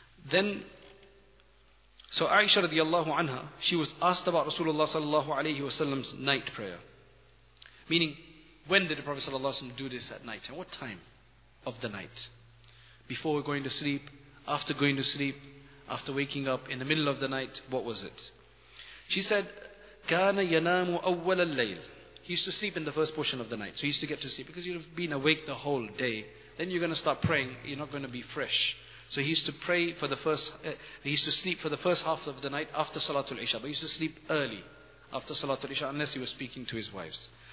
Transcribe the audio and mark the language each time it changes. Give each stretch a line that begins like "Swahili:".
English: Then, so Aisha radiallahu anha, she was asked about Rasulullah sallallahu alayhi wa sallam's night prayer. Meaning, when did the Prophet sallallahu alayhi wa sallam do this at night? And what time of the night? Before going to sleep, after going to sleep, after waking up, in the middle of the night, what was it? She said,
Arabic: كَانَ يَنَامُ أَوَّلَ اللَّيْلِ.
English: He used to sleep in the first portion of the night. So he used to get to sleep, because you've been awake the whole day. Then you're going to start praying, you're not going to be fresh. So he used to pray for the first, he used to sleep for the first half of the night after Salatul Isha. But he used to sleep early after Salatul Isha, unless he was speaking to his wives.